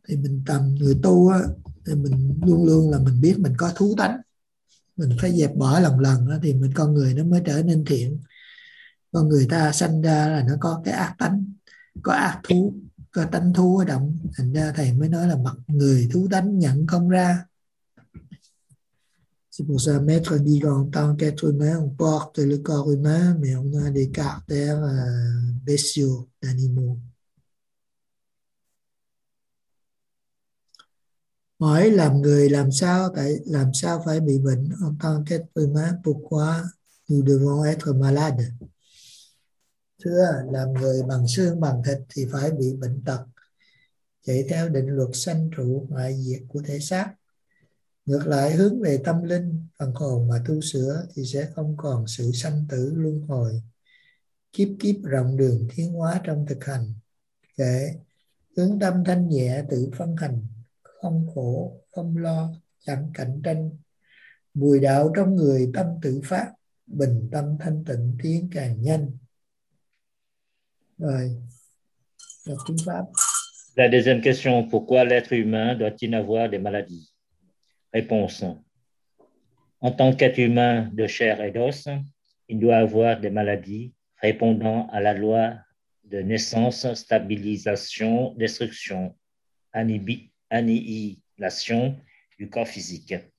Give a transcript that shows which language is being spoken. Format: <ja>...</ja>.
<vi>Thì mình tầm người tu á, thì mình luôn luôn là mình biết mình có thú tánh, mình phải dẹp bỏ lần lần á, thì mình con người nó mới trở nên thiện. Con người ta sanh ra là nó có cái ác tánh, có ác thú, có tánh thú ở động, thành ra thầy mới nói là mặt người thú tánh nhận không ra.</vi> <fr>C'est pour ça, maître dit qu'en tant qu'être humain, on porte le corps humain, mais on a des caractères bestiaux, d'animaux.</fr> <vi>Hỏi làm người làm sao, tại làm sao phải bị bệnh?</vi> <fr>En tant qu'être humain, pourquoi nous devons être malades?</fr> <vi>Thưa, làm người bằng xương bằng thịt thì phải bị bệnh tật, chạy theo định luật sanh trụ ngoại diệt của thể xác. Ngược lại, hướng về tâm linh phần hồn mà tu sửa thì sẽ không còn sự sanh tử luân hồi, kiếp kiếp rộng đường thiên hóa trong thực hành. Kể hướng tâm thanh nhẹ tự phân hành, không khổ không lo chẳng cạnh tranh, mùi đạo trong người tâm tự phát, bình tâm thanh tịnh tiến càng nhanh. Rồi là phương pháp.</vi> <fr>La deuxième question, pourquoi l'être humain doit-il avoir des maladies? Réponse. En tant qu'être humain de chair et d'os, il doit avoir des maladies répondant à la loi de naissance, stabilisation, destruction, annihilation du corps physique.</fr>